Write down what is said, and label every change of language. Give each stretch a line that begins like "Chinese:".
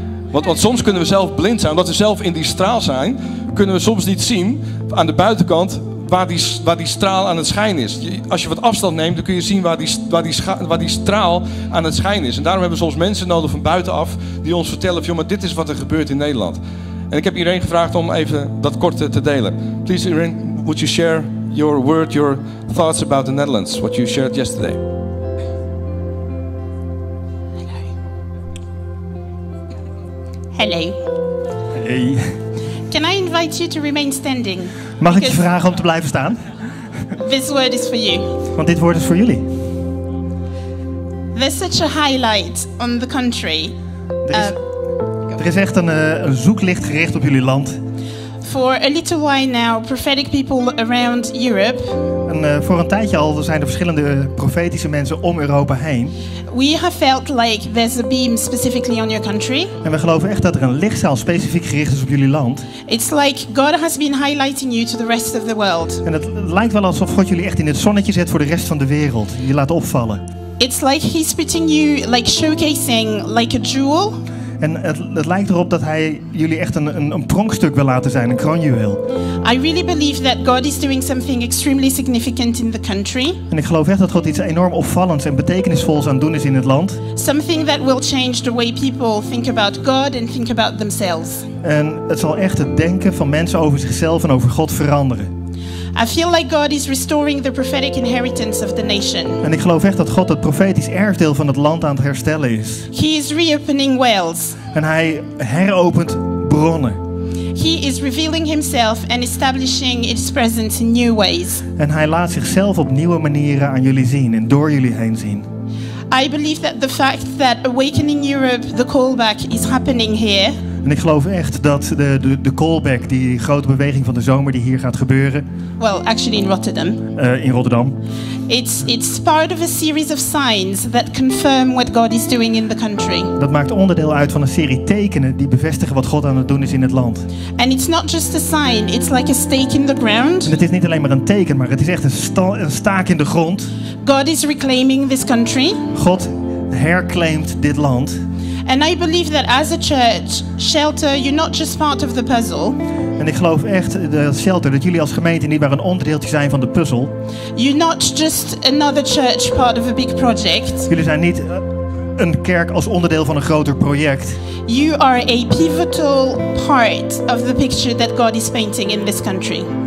Dutch: Want soms kunnen we zelf blind zijn. Omdat we zelf in die straal zijn, kunnen we soms niet zien aan de buitenkant waar die straal aan het schijnen is. Als je wat afstand neemt, dan kun je zien waar die straal aan het schijnen is. En daarom hebben we soms mensen nodig van buitenaf die ons vertellen van, joh, maar dit is wat er gebeurt in Nederland. En ik heb Irene gevraagd om even dat kort te delen.
English: Please, Irene, would you share your word, your thoughts about the Netherlands, what you shared yesterday? Hello. Hey. Can I invite you to remain standing?
Dutch: Mag ik je vragen om te blijven staan?
English: This word is for you.
Dutch: Want dit woord is voor jullie.
English: There's such a highlight on the country.
Dutch: Er is echt een zoeklicht gericht op jullie land.
English: For a little while now, prophetic people around Europe.
Dutch: Voor een tijdje al zijn er verschillende profetische mensen om Europa heen.
English: We have felt like there's a beam specifically on your country.
Dutch: En we geloven echt dat er een lichtzaal specifiek gericht is op jullie land.
English: It's like God has been highlighting you to the rest of the world.
Dutch: En het lijkt wel alsof God jullie echt in het zonnetje zet voor de rest van de wereld. Je laat opvallen.
English: It's like he's putting you, like showcasing, like a jewel.
Dutch: En het lijkt erop dat hij jullie echt een pronkstuk wil laten zijn, een kroonjuweel.
English: I really believe that God is doing something extremely significant in the country.
Dutch: En ik geloof echt dat God iets enorm opvallends en betekenisvols aan het doen is in het land.
English: Something that will change the way people think about God and think about themselves.
Dutch: En het zal echt het denken van mensen over zichzelf en over God veranderen.
English: I feel like God is restoring the prophetic inheritance of the nation.
Dutch: En ik geloof echt dat God het profetisch erfdeel van het land aan het herstellen is.
English: He is reopening wells.
Dutch: En hij heropent bronnen.
English: He is revealing himself and establishing his presence in new ways.
Dutch: En hij laat zichzelf op nieuwe manieren aan jullie zien en door jullie heen zien.
English: I believe that the fact that Awakening Europe, the callback, is happening here.
Dutch: En ik geloof echt dat de callback, die grote beweging van de zomer die hier gaat gebeuren.
English: Well, actually in Rotterdam.
Dutch: In Rotterdam.
English: It's part of a series of signs that confirm what God is doing in the country.
Dutch: Dat maakt onderdeel uit van een serie tekenen die bevestigen wat God aan het doen is in het land.
English: And it's not just a sign, it's like a stake in the ground.
Dutch: En het is niet alleen maar een teken, maar het is echt een staak in de grond.
English: God is reclaiming this country.
Dutch: God herclaimt dit land.
English: And I believe that as a church, Shelter, you're not just part of the puzzle.
Dutch: En ik geloof echt dat Shelter, dat jullie als gemeente niet maar een onderdeeltje zijn van de puzzel.
English: You're not just another church part of a big project.
Dutch: Jullie zijn niet een kerk als onderdeel van een groter project.
English: You are a pivotal part of the picture that God is painting in this country.